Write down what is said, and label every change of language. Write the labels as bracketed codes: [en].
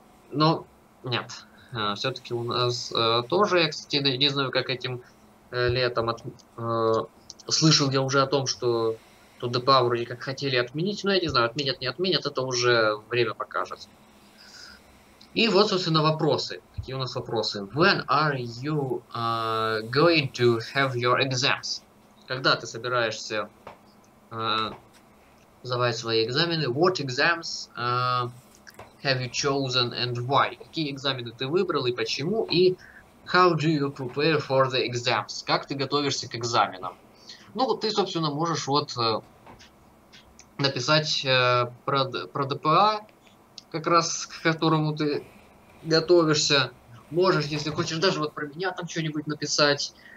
[ru] Но нет. Все-таки у нас тоже, я, кстати, не знаю, как этим летом слышал я уже о том, что тут ДПА вроде как хотели отменить, но я не знаю, отменят, не отменят, это уже время покажет. И вот, собственно, вопросы. Какие у нас вопросы? [en] When are you going to have your exams? [ru] Когда ты собираешься сдавать свои экзамены? [en] What exams have you chosen and why? [ru] Какие экзамены ты выбрал и почему? [en] И how do you prepare for the exams? [ru] Как ты готовишься к экзаменам? Ну, ты, собственно, можешь вот написать про ДПА, как раз к которому ты готовишься. Можешь, если хочешь, даже вот про меня там что-нибудь написать.